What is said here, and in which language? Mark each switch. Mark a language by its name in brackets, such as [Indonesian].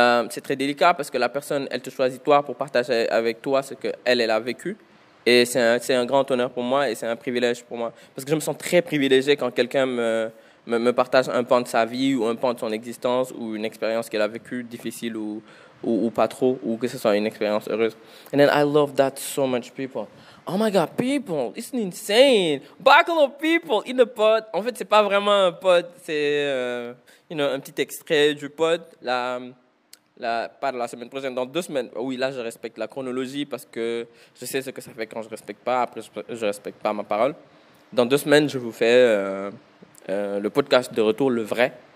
[French] C'est très délicat parce que la personne, elle te choisit toi pour partager avec toi ce qu'elle, elle a vécu. Et c'est un grand honneur pour moi et c'est un privilège pour moi. Parce que je me sens très privilégié quand quelqu'un me partage un pan de sa vie ou un pan de son existence ou une expérience qu'elle a vécue, difficile ou pas trop, ou que ce soit une expérience heureuse. [English] And then I love that so much, people. Oh my God, people, it's insane. Buckle of people in the pod. [French] En fait, c'est pas vraiment un pod, c'est un petit extrait du pod. Pas la semaine prochaine, dans 2 semaines. Oui, là, je respecte la chronologie parce que je sais ce que ça fait quand je ne respecte pas. Après, je ne respecte pas ma parole. Dans 2 semaines, je vous fais le podcast de retour, le vrai.